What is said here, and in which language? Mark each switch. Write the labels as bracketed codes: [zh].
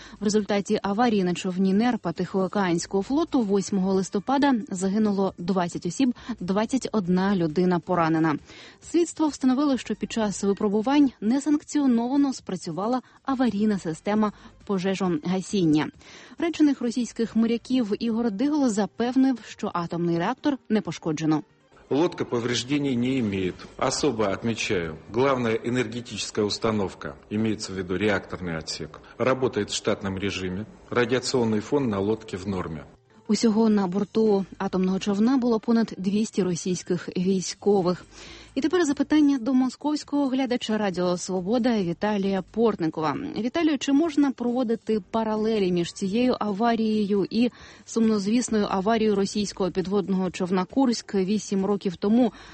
[uk] В результаті аварії на човні нерпа Тихоокеанського флоту 8 листопада загинуло 20 осіб, 21 людина поранена. Слідство встановило, що під час випробувань несанкціоновано спрацювала аварійна система пожежогасіння. Речених російських моряків Ігор Дигло запевнив, що атомний реактор не пошкоджено. [ru] Лодка повреждений не имеет. Особо отмечаю, главная энергетическая установка, имеется в виду реакторный отсек, работает в штатном режиме. Радиационный фон на лодке в норме. [uk] Усього на борту атомного човна було понад 200 російських військових. І тепер запитання до московського глядача радіо «Свобода» Віталія Портникова. Віталію, чи можна проводити паралелі між цією аварією і сумнозвісною аварією російського підводного човна «Курськ» 8 років тому?